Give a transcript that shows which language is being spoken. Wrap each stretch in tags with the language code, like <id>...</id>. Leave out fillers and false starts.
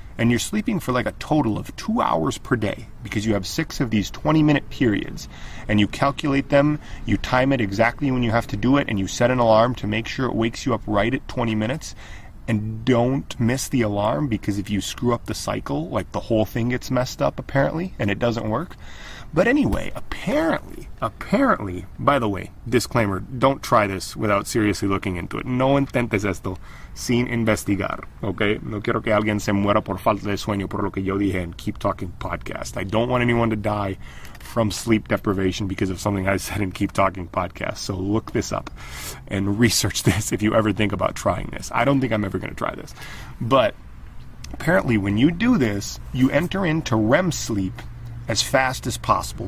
<en>and you're sleeping for like a total of 2 hours per day because you have six of these 20-minute periods, and you calculate them, you time it exactly when you have to do it, and you set an alarm to make sure it wakes you up right at 20 minutes, and don't miss the alarm, because if you screw up the cycle, like, the whole thing gets messed up, apparently, and it doesn't work. But anyway, apparently, by the way, disclaimer, don't try this without seriously looking into it.</en> <es>No intentes esto sin investigar, okay? No quiero que alguien se muera por falta de sueño por lo que yo dije en Keep Talking Podcast.</es> <en>I don't want anyone to die from sleep deprivation because of something I said in Keep Talking Podcast. So look this up and research this if you ever think about trying this. I don't think I'm ever going to try this. But apparently when you do this, you enter into REM sleep as fast as possible.</en>